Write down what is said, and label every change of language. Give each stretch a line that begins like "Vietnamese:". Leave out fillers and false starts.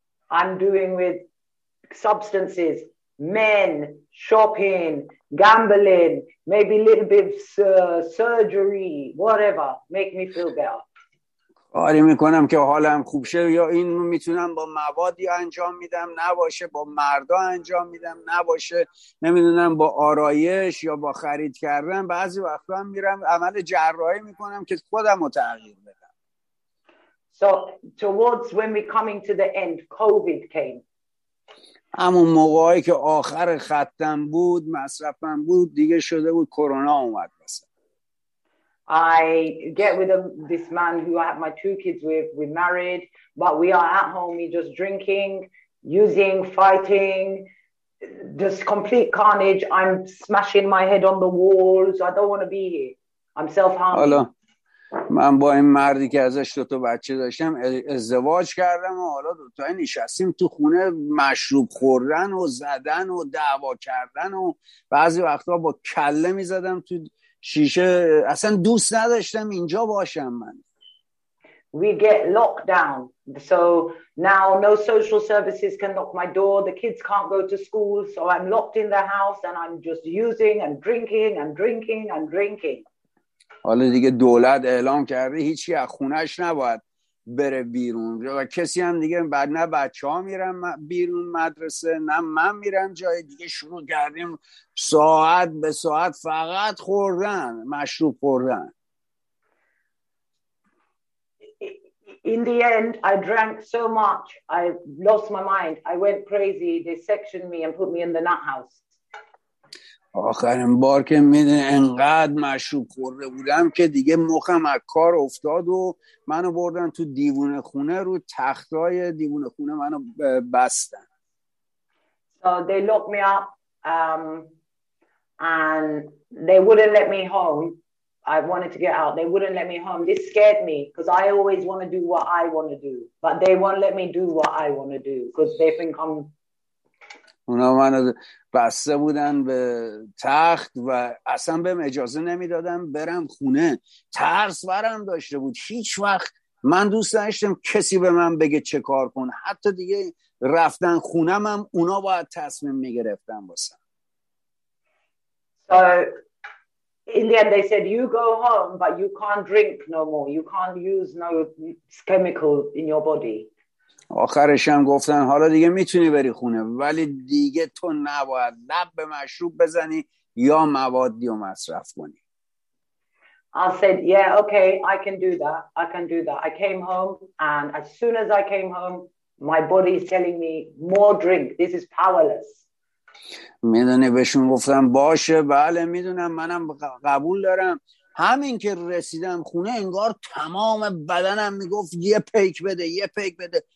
English: I'm doing with substances, men, shopping, gambling, maybe a little bit surgery, whatever, make me feel better.
Persian: آره میکنم که حالم خوب شه، یا این میتونم با مواد انجام میدم نباشه، با مردا انجام میدم نباشه، نمیدونم با آرایش یا با خرید کردن. بعضی وقتا هم میرم عمل جراحی میکنم که خودم رو تغییر بدم.
English: So towards when we coming to the end, COVID came.
Persian: همون موقعی که آخر خطم بود، مصرفم بود، دیگه شده بود کرونا اومد.
English: I get with this man who I have my two kids with. We married, but we are at home. We just drinking, using, fighting, just complete carnage. I'm smashing my head on the walls. I don't want to be here. I'm self-harming.
Persian: حالا من با این مردی که ازش دو تا بچه داشتم ازدواج کردم و حالا دو تایی نشستیم تو خونه، مشروب خوردن و زدن و دعوا کردن و بعضی وقتا با کله میزدم تو شیشه. اصلا دوست نداشتم اینجا باشم من.
English: We get locked down, so now no social services can knock my door, the kids can't go to school, so I'm locked in the house and I'm just using and drinking and drinking and drinking.
Persian: حالا دیگه دولت اعلام کرده هیچی از خونش نباید بره بیرون و کسی هم دیگه بعد، نه بچه ها میرن بیرون مدرسه، نه من میرم جای دیگه. شروع کردیم ساعت به ساعت فقط خوردن، مشروب خوردن.
English: In the end I drank so much I lost my mind, I went crazy, they sectioned me and put me in the nut house.
Persian: آخرین بار که میدونی انقدر مشروب خورده بودم که دیگه مخم از کار افتاد و منو بردن تو دیوونه خونه، رو تختای دیوونه خونه منو بستن.
English: So they locked me up, And they wouldn't let me home. I wanted to get out. They wouldn't let me home. This scared me because I always want to do what I want to do. But they won't let me do what I want to do because they think I'm...
Persian: اونا منو بسته بودن به تخت و اصلا بهم اجازه نمیدادن برم خونه. ترس برم داشته بود. هیچ وقت من دوست داشتم کسی به من بگه چه کار کن. حتی دیگه رفتن خونم هم اونا باید تصمیم میگرفتن واسه.
English: So in the end they said you go home but you can't drink no more. You can't use no chemical in your body.
Persian: آخرش هم گفتن حالا دیگه میتونی بری خونه ولی دیگه تو نباید لب به مشروب بزنی یا موادی رو مصرف کنی.
English: I said yeah okay I can do that I can do that. I came home and as soon as I came home my body is telling me more drink, this is powerless.
Persian: میدونی بهشون گفتم باشه بله میدونم منم قبول دارم. همین که رسیدم خونه انگار تمام بدنم میگفت یه پیک بده یه پیک بده.